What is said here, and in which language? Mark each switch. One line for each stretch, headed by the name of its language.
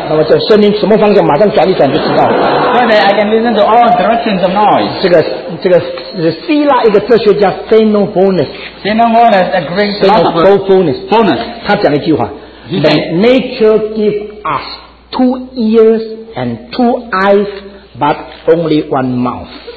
Chinese: 那么这声音什么方向，马上转一转就知道了。
English: So that I can listen to all directions of noise.
Chinese: 这个希腊一个哲学家 Xenophonus.
English: Xenophonus, a great philosopher.
Chinese: Xenophonus. 他讲了一句话，
English: that nature gives us two ears and two eyes, but only one mouth.